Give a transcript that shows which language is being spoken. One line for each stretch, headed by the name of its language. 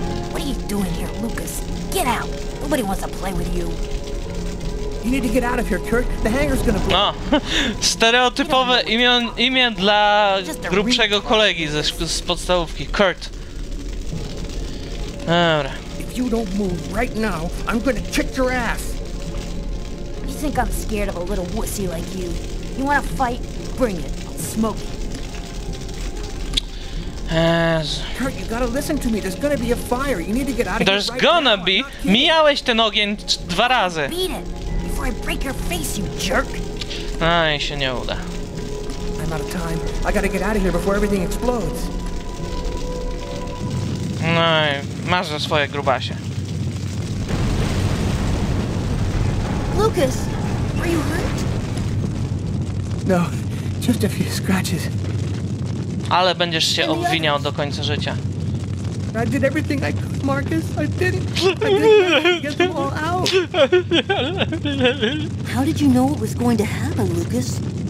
English: What are you doing here, Lucas? Get out. Nobody wants to play with you. You need to get out of here, Kurt. The hangar's gonna blow. No.
Polish: Stereotypowe imię dla grubszego kolegi z podstawówki. Kurt. Dobra.
English: If you don't move right now, I'm gonna kick your ass. You think I'm scared of a little wussy like you? You wanna fight? Bring it. I'll smoke it. Kurt, you gotta listen to me. There's gonna be a fire. You need to get out of here. There's gonna be.
Polish: Mijałeś ten ogień dwa razy.
English: Beat it before I break your face, you jerk.
Polish: Aj, się nie uda.
English: I'm out of time. I gotta get out of here before everything explodes.
Polish: No, masz za swoje grubasie.
English: Lucas, are you hurt? No, just a few scratches.
Polish: Ale będziesz się obwiniał do końca życia.
English: I did everything I could, Marcus. I didn't get them all out. How did you know what was going to happen, Lucas?